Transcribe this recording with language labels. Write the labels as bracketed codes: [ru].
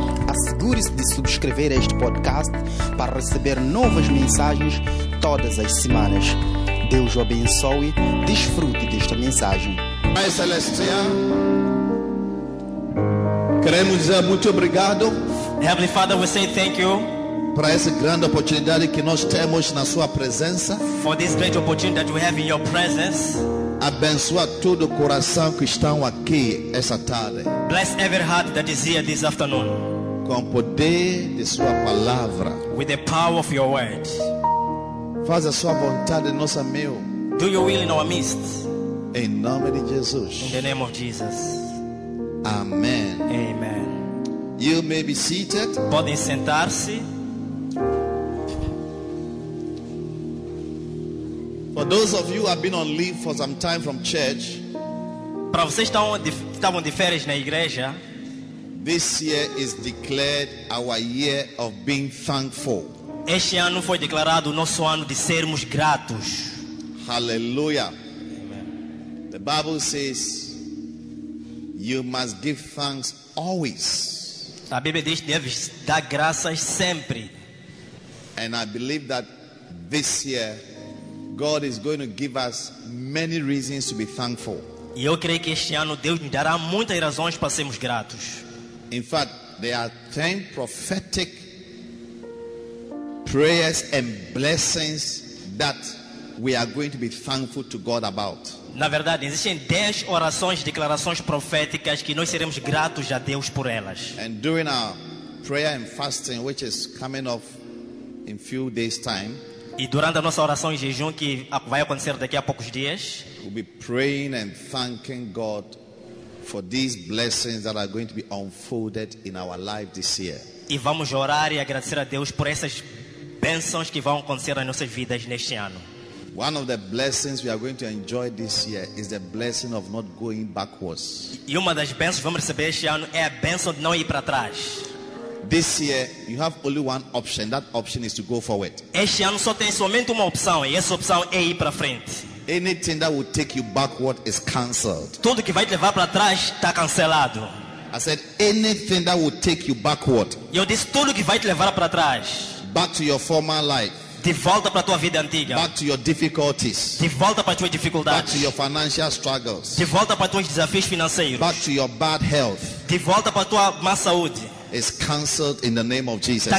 [pt] Assegure-se de subscrever este podcast para receber novas mensagens todas as semanas. Deus o abençoe. Desfrute desta mensagem. Pai Celestial, queremos dizer muito obrigado. [en] Heavenly Father, we say thank you [pt] para essa grande oportunidade que nós temos na sua presença. [en] For this great opportunity that we have in your presence. [pt] Abençoa todo o coração que está aqui essa tarde. [en] Bless every heart that is here this afternoon. [pt] Com o poder de sua palavra. [en] With the power of your word. [pt] Faz a sua vontade em nosso meio. [en] Do your will in our midst. [pt] Em nome de Jesus. [en] In the name of Jesus. Amen. Amen. You may be seated. [pt] Pode sentar-se. [en] For those of you who have been on leave for some time from church, [pt] para vocês que estavam de férias na igreja, [en] this year is declared our year of being thankful. [pt] Este ano foi declarado o nosso ano de sermos gratos. [en] Hallelujah. The Bible says you must give thanks always. [pt] A Bíblia diz que deves dar graças sempre. [en] And I believe that this year God is going to give us many reasons to be thankful. [pt] E eu creio que este ano Deus nos dará muitas razões para sermos gratos. [en] In fact, there are 10 prophetic prayers and blessings that we are going to be thankful to God about. [pt] Na verdade, existem 10 orações, declarações proféticas que nós seremos gratos a Deus por elas. [en] And during our prayer and fasting, which is coming up in few days time, [pt] e durante a nossa oração e jejum que vai acontecer daqui a poucos dias, [en] we'll be praying and thanking God for these blessings that are going to be unfolded in our life this year. [pt] E vamos orar e agradecer a Deus por essas bênçãos que vão acontecer nas nossas vidas neste ano. [en] One of the blessings we are going to enjoy this year is the blessing of not going backwards. [pt] E uma das bênçãos que vamos receber este ano é a bênção de não ir para trás. [en] This year you have only one option. That option is to go forward. [pt] Este ano só tem somente uma opção, e essa opção é ir para frente. [en] Anything that will take you backward is cancelled. [pt] Tudo que vai te levar para trás está cancelado. [en] I said anything that will take you backward. [pt] Eu disse tudo que vai te levar para trás. [en] Back to your former life. [pt] De volta para tua vida antiga. [en] Back to your difficulties. [pt] De volta para tuas dificuldades. [en] Back to your financial struggles. [pt] De volta para tuas desafios financeiros. [en] Back to your bad health. [pt] De volta para tua má saúde. [en] Is cancelled in the name of Jesus.